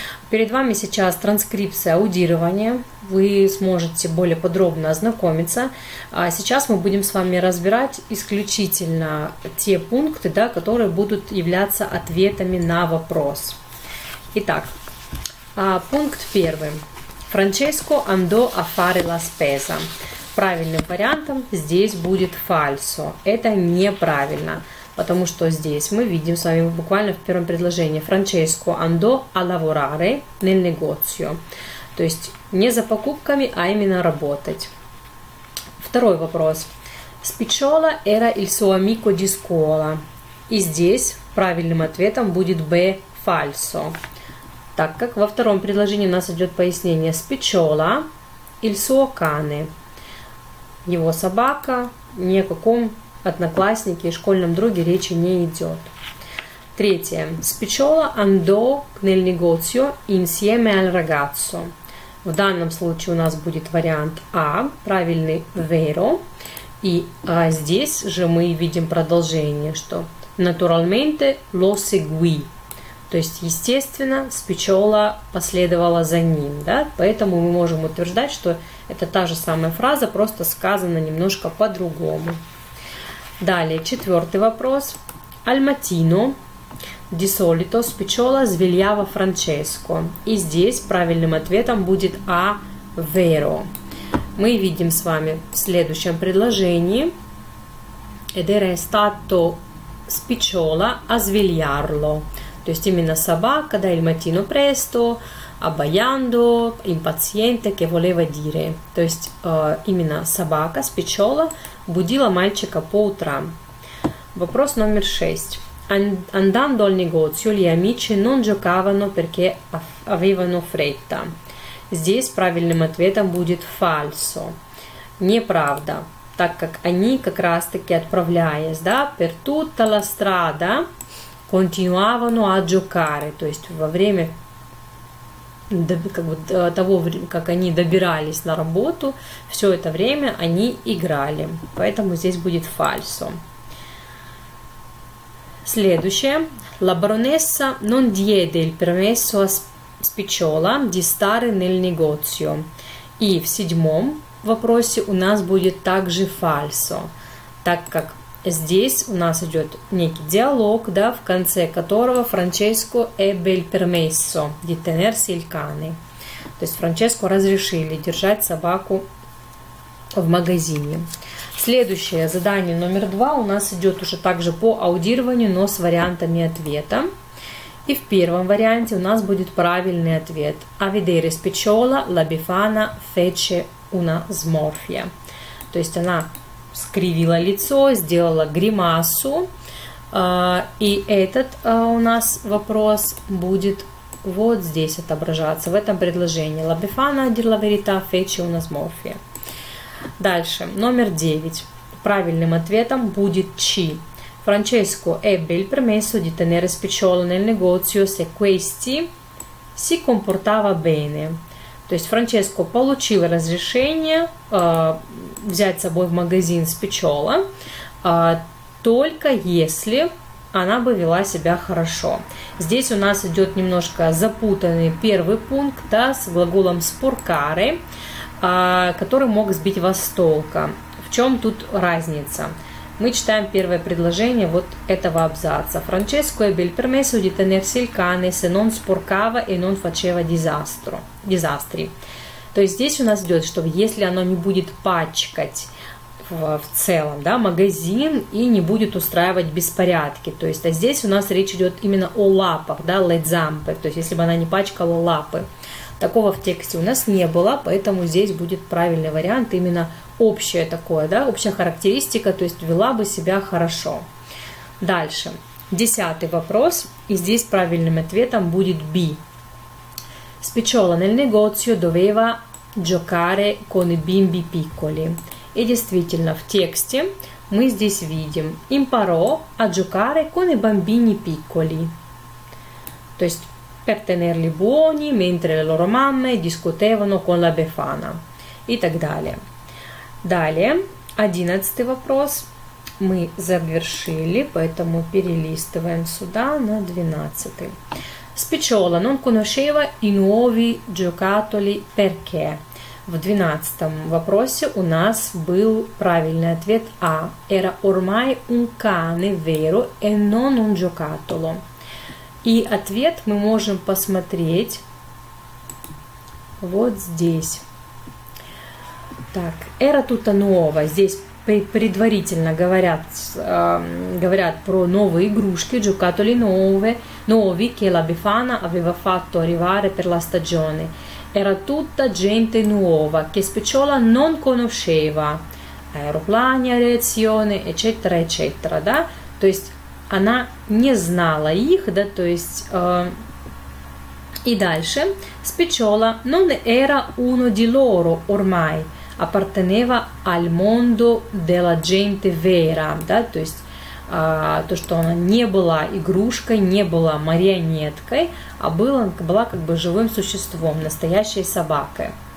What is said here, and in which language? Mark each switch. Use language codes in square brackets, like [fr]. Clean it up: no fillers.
[ru] Перед вами сейчас транскрипция аудирования, вы сможете более подробно ознакомиться. А сейчас мы будем с вами разбирать исключительно те пункты, да, которые будут являться ответами на вопрос. Итак, пункт первый. [it] Франческо andò a fare la spesa. [ru] Правильным вариантом здесь будет фальсо. Это неправильно, потому что здесь мы видим с вами буквально в первом предложении Франческо [it] andò a lavorare nel negozio. [ru] То есть не за покупками, а именно работать. Второй вопрос. [it] Spicciola era il suo amico di scuola. [ru] И здесь правильным ответом будет B – фальсо. Так как во втором предложении у нас идет пояснение Spicciola [it] il suo cane. [ru] Его собака, ни о каком однокласснике и школьном друге речи не идет. Третье. [it] Spicciola andò nel negozio insieme al ragazzo. [ru] В данном случае у нас будет вариант А, правильный vero. И здесь же мы видим продолжение, что [it] naturalmente lo seguì. [ru] То есть, естественно, Spicciola последовала за ним, да? Поэтому мы можем утверждать, что это та же самая фраза, просто сказана немножко по-другому. Далее, четвертый вопрос. [it] Al mattino di solito Spicciola svegliava Francesco. [ru] И здесь правильным ответом будет A, vero. Мы видим с вами в следующем предложении. [it] Ed era stato Spicciola a svegliarlo. [ru] То есть именно собака, да, [it] il mattino presto, abbaiando, impaziente, che voleva dire. [ru] То есть именно собака, Spicciola, будила мальчика по утрам. Вопрос номер 6. [it] Andando al negozio, gli amici non giocavano perché avevano fretta. [ru] Здесь правильным ответом будет falso. Неправда, так как они как раз таки отправляясь, да, [it] per tutta la strada, [ru] continuavano a giocare, то есть во время как бы, того, как они добирались на работу, все это время они играли. Поэтому здесь будет фальсо. Следующее. [it] La baronessa non diede il permesso a Spicciola di stare nel negozio. [ru] И в седьмом вопросе у нас будет также фальсо, так как здесь у нас идет некий диалог, да, в конце которого Франческо [it] ebbe il permesso di tenersi il cane. [ru] То есть Франческо разрешили держать собаку в магазине. Следующее задание номер 2 у нас идет уже также по аудированию, но с вариантами ответа. И в первом варианте у нас будет правильный ответ. [it] A vedere Spicciola la Befana fece una smorfia. [ru] То есть она скривила лицо, сделала гримасу, и этот у нас вопрос будет вот здесь отображаться, в этом предложении. [it] La Befana di la verità fece una smorfia. [ru] Дальше, номер 9. Правильным ответом будет C. [it] Francesco ebbe il permesso di tenere Spicciola nel negozio se questi si comportava bene. [ru] То есть Франческо получил разрешение взять с собой в магазин Spicciola, только если она бы вела себя хорошо. Здесь у нас идет немножко запутанный первый пункт, да, с глаголом sporcare, который мог сбить вас с толка. В чем тут разница? Мы читаем первое предложение вот этого абзаца. [it] Francesco ebbe il permesso di tenersi il cane se non sporcava e non faceva disastri. [ru] То есть здесь у нас идет, что если оно не будет пачкать в целом, да, магазин и не будет устраивать беспорядки. То есть, а здесь у нас речь идет именно о лапах, да, [it] le zampe. [ru] То есть если бы она не пачкала лапы. Такого в тексте у нас не было, поэтому здесь будет правильный вариант, именно общее такое, да, общая характеристика, то есть вела бы себя хорошо. Дальше, 10-й вопрос, и здесь правильным ответом будет B. [it] Spicciola nel negozio doveva giocare con i bimbi piccoli. E [ru] действительно, в тексте мы здесь видим [it] «Imparò a giocare con i bambini piccoli». [ru] То есть [it] «per tenerli buoni mentre le loro mamme discutevano con la Befana». И так далее. [ru] Далее, 11-й вопрос. Мы завершили, поэтому перелистываем сюда на 12-й. [it] Spicciola non conosceva i nuovi giocattoli perché? [ru] В 12-м вопросе у нас был правильный ответ А. [it] Era ormai un cane vero e non un giocattolo. [ru] И ответ мы можем посмотреть вот здесь. [it] Так, era tutta nuova. [ru] Здесь предварительно говорят про новые игрушки, [it] giocattoli nuovi, che la Befana aveva fatto arrivare per la stagione. Era tutta gente nuova che Spicciola non conosceva. Aeroplani, aviazione, eccetera, eccetera, да? [ru] То есть она не знала их, да, то есть и дальше [it] Spicciola non era uno di loro ormai, apparteneva al mondo della gente vera, да? [ru] То есть то, что она не была игрушкой, не была марионеткой, а была как бы живым существом, настоящей собакой.